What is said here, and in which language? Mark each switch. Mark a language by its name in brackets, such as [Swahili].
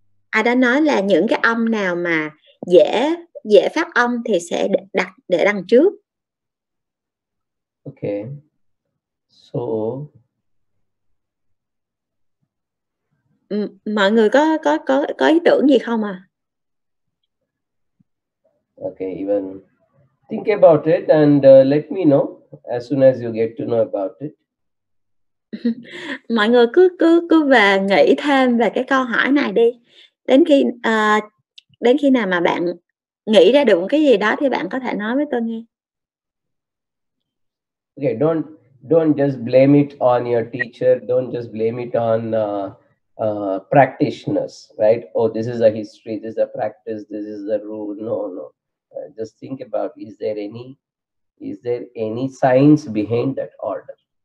[Vietnamese] Ai đó nói là những cái âm nào mà dễ dễ phát âm thì sẽ đặt để đằng trước. [English] Okay. So [Vietnamese] mọi người có ý tưởng gì không à? [English] Okay, even think about it and let me know as soon as you get to know about it. [Vietnamese] Mọi người cứ về nghĩ thêm về cái câu hỏi này đi. Đến khi nào mà bạn nghĩ ra được cái gì đó thì bạn có thể nói với tôi nghe. [English] Okay, don't just blame it on your teacher. Don't just blame it on practitioners, right? Oh, this is a history, this is a practice, this is the rule. No. Just think about, is there any science behind that order?